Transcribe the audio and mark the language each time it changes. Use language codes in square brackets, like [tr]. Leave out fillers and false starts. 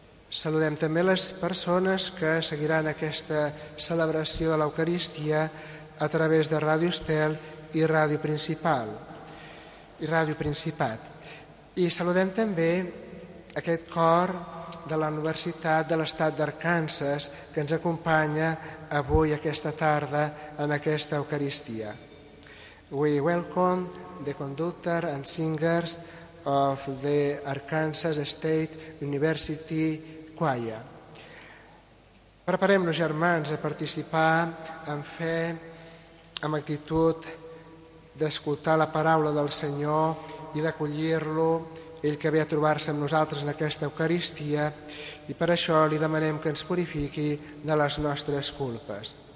[ca] Saludem també les persones que seguiran aquesta celebració de l'Eucaristia a través de Ràdio Estel i Ràdio Principal i Ràdio Principat. I saludem també aquest cor de la Universitat de l'Estat d'Arkansas que ens acompanya avui, aquesta tarda, en aquesta Eucaristia. [en] We welcome the conductor and singers of the Arkansas State University Choir. [ca] Preparem-nos, germans, a participar amb fe, amb actitud d'escoltar la paraula del Senyor i d'acollir-lo, ell que ve a trobar-se amb nosaltres en aquesta Eucaristia, i per això li demanem que ens purifiqui de les nostres culpes.